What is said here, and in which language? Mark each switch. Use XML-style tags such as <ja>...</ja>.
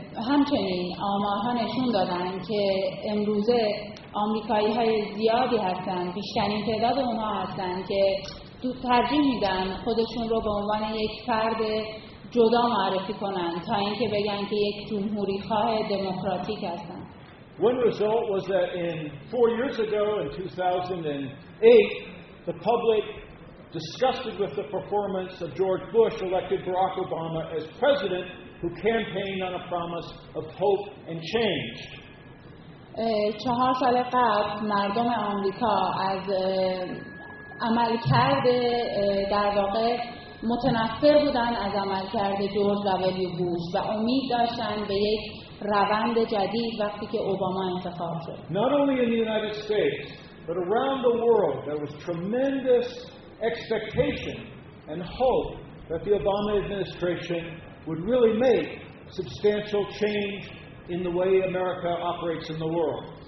<fa>همچنین آمارها نشون دادن که امروزه آمریکایی های زیادی هستند، بیشترین تعداد اونها هستند که ترجیح میدن خودشون رو به عنوان یک فرد جدا معرفی کنن تا اینکه بگن که یک جمهوری خواه دموکراتیک هستن.</fa> <en>One result was that in 4 years ago, in 2008, the public disgusted with the performance of George Bush elected Barack Obama as president, who campaigned on a promise of hope and change.</en> <fa>4 سال قبل مردم آمریکا از عملکرد در واقع متنفر بودن از عملکرد جورج دبلیو بوش و امید داشتن به یک روند جدید وقتی که اوباما انتخاب شد.</fa> <en>Not only in the United States, but around the world, there was tremendous expectation and hope that the Obama administration would really make substantial change in the way America operates in the world.</en>